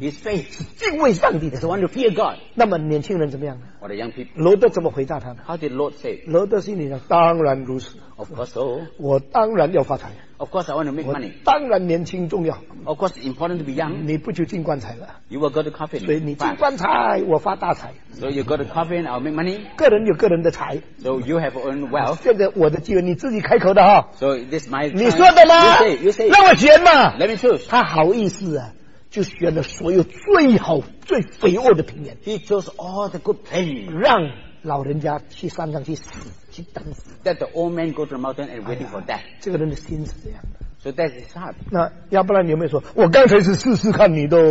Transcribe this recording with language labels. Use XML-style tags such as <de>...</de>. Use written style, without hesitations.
<en>He's faith</en> <zh>是敬畏上帝的人</zh> <en>He's the one to fear God</en> <zh>那么年轻人怎么样</zh> <en>What are young people</en> <zh>罗德怎么回答他呢</zh> <en>How did Lord say</en> <zh>罗德心里想当然如此</zh> <en>Of course, so.</en> <zh>我当然要发财。</zh> <en>Of course, I want to make money.</en> <zh>当然年轻重要。</zh> <en>Of course, it's important to be young.</en> <zh>你不就进棺材了</zh> <en>？You will go to coffin.</en> <zh>所以你进棺材，我发大财。</zh> <en>So you go to coffin, I'll make money.</en> <zh>个人有个人的财。</zh> <en>So you have own wealth.</en> <zh>现在我的机会，你自己开口的哈。</zh> <en>So this my.</en> <zh>你说的吗</zh> <en>？You say.</en> <zh>让我选嘛。</zh> <en>Let me choose.</en> <zh>他好意思啊，就选了所有最好、最肥沃的平原。</zh> <en>He chose all the good plain.</en> <zh>让老人家去山上去死。</zh> <en>That the old man go to the mountain and waiting for death.</en> <zh>这个人的心是这样的。</zh> <en>So that is hard.</en> <zh>那要不然你有没有说，我刚才是试试看你的</zh>